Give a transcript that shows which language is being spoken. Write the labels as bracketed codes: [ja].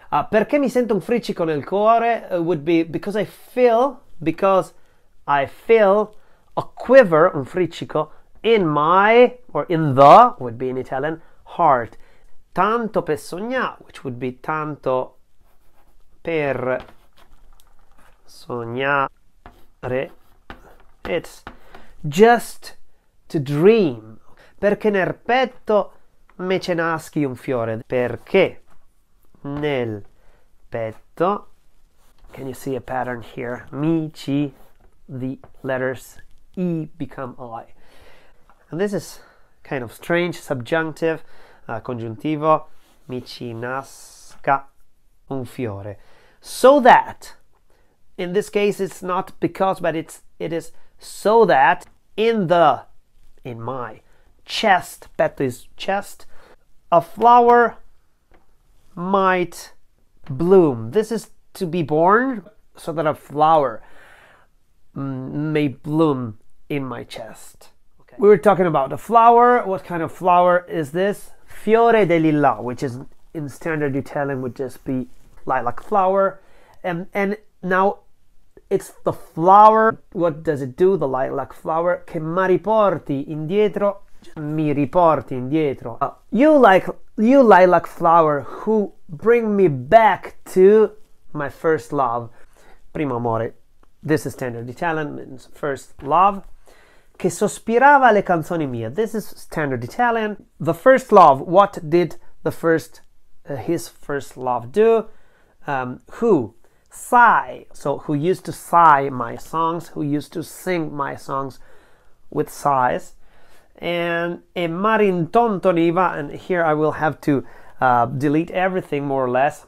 [it] Perché mi sento un friccico nel cuore [en] would be because I feel a quiver, [it] un friccico, [en] in my, or in the, would be in Italian, heart. [it] Tanto per sognare, [en] which would be [it] tanto per sognare, [en] it's just to dream. [it] Perché nel petto me ce naschi un fiore. Perché nel petto. [en] Can you see a pattern here? [it] Mi ci, [en] the letters E become I. And this is kind of strange, subjunctive, congiuntivo. [it] Mi ci nasca un fiore. [en] So that, in this case it's not because, but it is so that in my chest, petto is chest, a flower might bloom. This is to be born, so that a flower may bloom in my chest. Okay. We were talking about a flower. What kind of flower is this? [it] Fiore de lilla, [en] which is in standard Italian would just be lilac flower. And now it's the flower. What does it do? The lilac flower. [it] Che mi riporti indietro. Mi riporti indietro. [en] You lilac flower who bring me back to my first love. [it] Primo amore. [en] This is standard Italian, means first love. [it] Che sospirava le canzoni mie. [en] This is standard Italian. The first love. What did his first love do? Who? Sigh. So who used to sigh my songs, who used to sing my songs with sighs. And [it] e marintontoniva, [en] and here I will have to delete everything more or less.